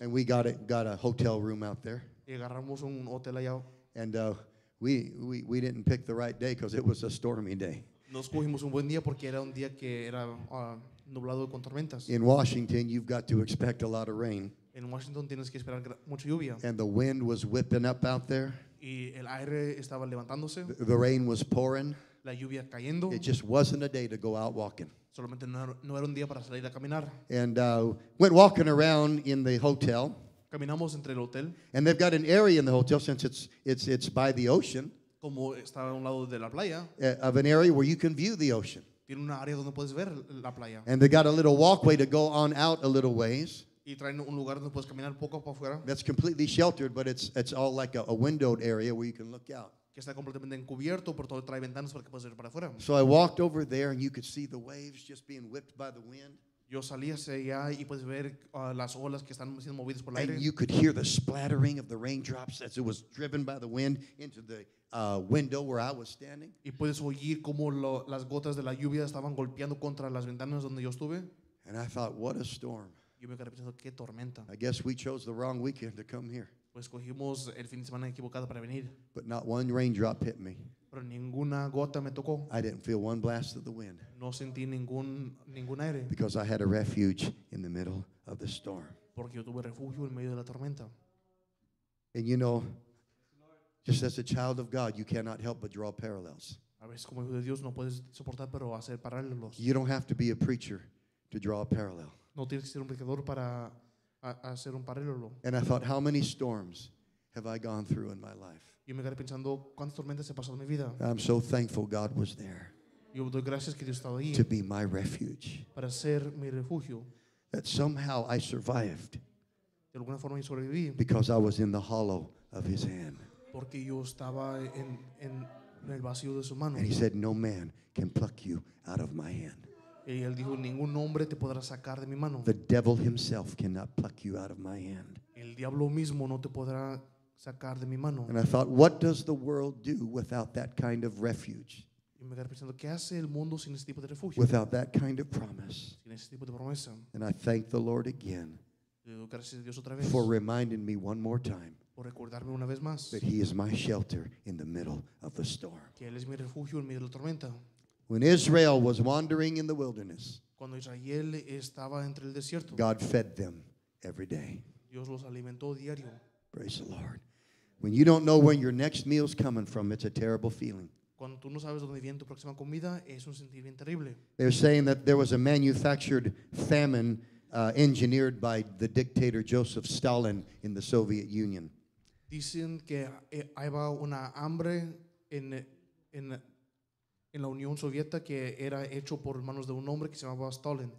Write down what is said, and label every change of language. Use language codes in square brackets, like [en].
[en] And we got a hotel room out there. [es] Y agarramos un hotel allá. [en] And we didn't pick the right day because it was a stormy day. [es] Nos cogimos un buen día porque era un día que era nublado con tormentas. [en] In Washington, you've got to expect a lot of rain. [es] En Washington tienes que esperar mucha lluvia. [en] And the wind was whipping up out there. [es] Y el aire estaba levantándose. [en] The rain was pouring. [es] La lluvia cayendo. [en] It just wasn't a day to go out walking. [es] Solamente no era un día para salir a caminar. [en] And went walking around in the hotel. [es] Caminamos entre el hotel. [en] And they've got an area in the hotel, since it's by the ocean, [es] como estaba a un lado de la playa, [en] of an area where you can view the ocean. [es] Tiene una área donde puedes ver la playa. [en] And they got a little walkway to go on out a little ways. [es] Y traen un lugar donde puedes caminar poco para afuera. [en] That's completely sheltered, but it's all like a windowed area where you can look out. [es] Que está completamente encubierto, pero todo trae ventanas para que puedas ver para afuera. [en] So I walked over there, and you could see the waves just being whipped by the wind. [es] Yo salí hacia allá y puedes ver las olas que están siendo movidas por el aire. [en] And you could hear the splattering of the raindrops as it was driven by the wind into the window where I was standing. [es] Y puedes oír cómo las gotas de la lluvia estaban golpeando contra las ventanas donde yo estuve. [en] And I thought, what a storm. [es] Yo me quedé pensando, qué tormenta. [en] I guess we chose the wrong weekend to come here. [es] Pues cogimos el fin de semana equivocado para venir. [en] But not one raindrop hit me. [es] Pero ninguna gota me tocó. [en] I didn't feel one blast of the wind. [es] No sentí ningún aire. [en] Because I had a refuge in the middle of the storm. [es] Porque yo tuve refugio en medio de la tormenta. [en] And you know, just as a child of God, you cannot help but draw parallels. [es] A veces como hijo de Dios no puedes soportar pero hacer paralelos. [en] You don't have to be a preacher to draw a parallel. [es] No tienes que ser un predicador para hacer un paralelo. [en] And I thought, how many storms have I gone through in my life? [es] Yo me quedé pensando cuántas tormentas he pasado en mi vida. [en] I'm so thankful God was there. [es] Yo doy gracias que Dios estaba ahí. [en] To be my refuge. [es] Para ser mi refugio. [en] That somehow I survived. [es] De alguna forma yo sobreviví. [en] Because I was in the hollow of His hand. [es] Porque yo estaba en el vacío de su mano. [en] And He said, "No man can pluck you out of my hand." [es] Y él dijo, ningún hombre te podrá sacar de mi mano. [en] The devil himself cannot pluck you out of my hand. [es] El diablo mismo no te podrá sacar de mi mano. [en] And I thought, what does the world do without that kind of refuge? [es] Y me quedé pensando, ¿qué hace el mundo sin ese tipo de refugio? [en] Without that kind of promise. [es] Sin ese tipo de promesa. [en] And I thank the Lord again. [es] Le doy gracias a Dios otra vez. [en] For reminding me one more time. [es] Por recordarme una vez más. [en] That He is my shelter in the middle of the storm. [es] Que él es mi refugio en medio de la tormenta. [en] When Israel was wandering in the wilderness, [es] cuando Israel estaba entre el desierto, [en] God fed them every day. [es] Dios los alimentó diario. [en] Praise the Lord. When you don't know where your next meal's coming from, it's a terrible feeling. [es] Cuando tú no sabes dónde viene tu próxima comida, es un sentimiento terrible. [en] They're saying that there was a manufactured famine engineered by the dictator Joseph Stalin in the Soviet Union. [es] Dicen que hay una hambre en en la Unión Soviética que era hecho por manos de un hombre que se llamaba Stalin.